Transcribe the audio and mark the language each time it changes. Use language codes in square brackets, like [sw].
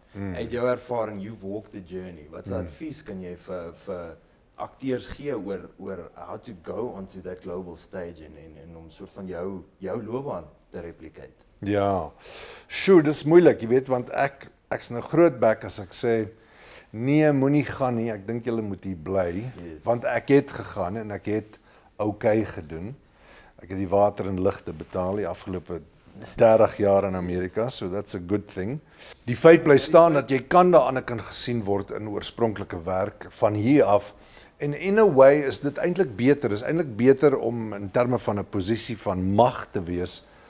[af] Mm. Uit jou ervaring, [en] you've walked the journey. [af] Wat se advies kan jy vir akteurs gee oor [en] how to go onto that global stage [af] en om soort van jou loopbaan te replikeer. Ja. Sjoe, dis moeilik, jy weet, want ek's nou groot bek as ek sê nee, moenie gaan nie. Ek dink julle moet hier bly, [en] yes. [af] Want ek het gegaan en ek het okay gedoen. Ek het die water en ligte betaal die afgelope 30 jaar in Amerika, [en] so that's a good thing. [af] Die feit bly staan dat jy kan daaraan kan gesien word in oorspronklike werk van hier af. En [en] in a way [af] is dit eintlik beter. Is eintlik beter om in terme van 'n posisie van mag te wees.